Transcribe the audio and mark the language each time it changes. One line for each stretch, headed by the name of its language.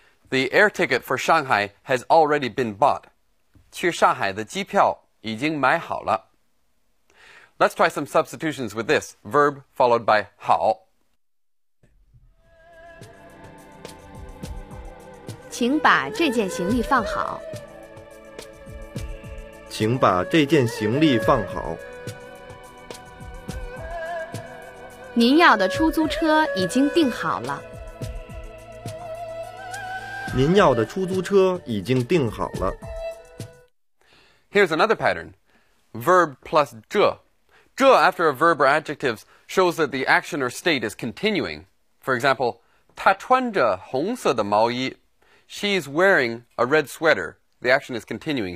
English: The air ticket for Shanghai has already been bought.
Chinese: 去上海的机票已经买好了。
English: Let's try some substitutions with this verb followed by 好。
Chinese: 请把这件行李放好。请把这件行李放好。您要的出租车已经订好了。您要的出租车已经订好了。
English: Here's another pattern. Verb plus 这。这 after a verb or adjective shows that the action or state is continuing. For example,
Chinese: 她穿着红色的毛衣。
English: She's wearing a red sweater. The action is continuing.